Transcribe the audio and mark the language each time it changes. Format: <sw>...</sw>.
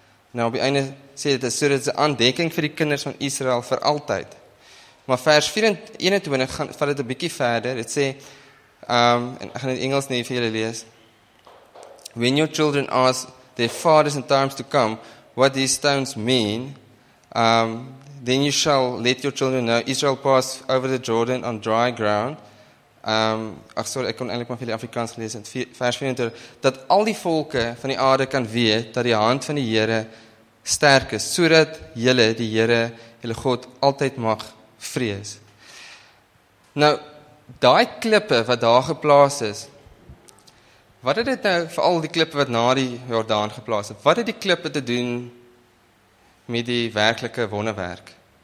<af>Nou op die einde sê dit, so dat dit 'n aandenking vir die kinders van Israel vir altyd. Maar vers 21 gaan vat dit 'n bietjie verder. Dit sê en ek gaan in Engels net vir julle lees.</af> <en>When your children ask their fathers in times to come what these stones mean, then you shall let your children know Israel passed over the Jordan on dry ground.</en> <af>Ek kon eintlik maar vir die Afrikaans lees in vers 24 dat al die volke van die aarde kan weet dat die hand van die Here sterk is sodat julle die Here, julle God altyd mag vrees. Nou, daai klippe wat daar geplaas is, wat het dit nou, vir al die klippe wat na die Jordaan geplaas het, wat het die klippe te doen met die werklike wonderwerk?</af>